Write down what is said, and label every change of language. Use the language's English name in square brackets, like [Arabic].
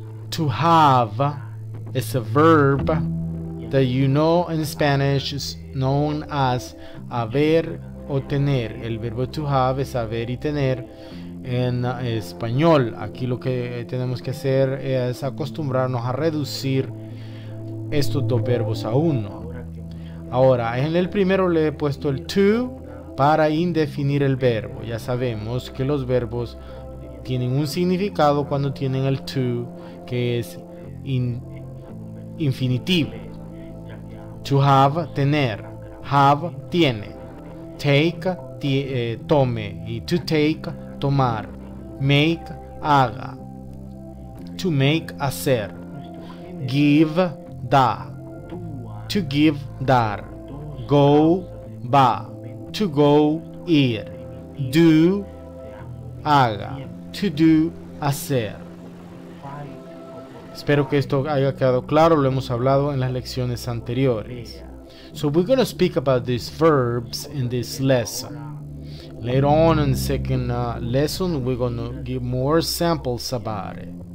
[English] to have is a verb that you know in Spanish is known as [Spanish] haber o tener. El verbo to have es haber y tener en español. Aquí lo que tenemos que hacer es acostumbrarnos a reducir estos dos verbos a uno. Ahora, en el primero le he puesto el to para indefinir el verbo. Ya sabemos que los verbos tienen un significado cuando tienen el to, que es infinitivo. [English] To have, tener. Have, tiene. Take, tome. [Spanish] Y to take, tomar. Make, haga. [English] To make, hacer. Give, da. To give, dar. Go, va. To go, ir. Do, haga. To do, hacer. [Spanish] Espero que esto haya quedado claro, lo hemos hablado en las lecciones anteriores. [English] So we're going to speak about these verbs in this lesson. Later on in the second lesson, we're going to give more samples about it.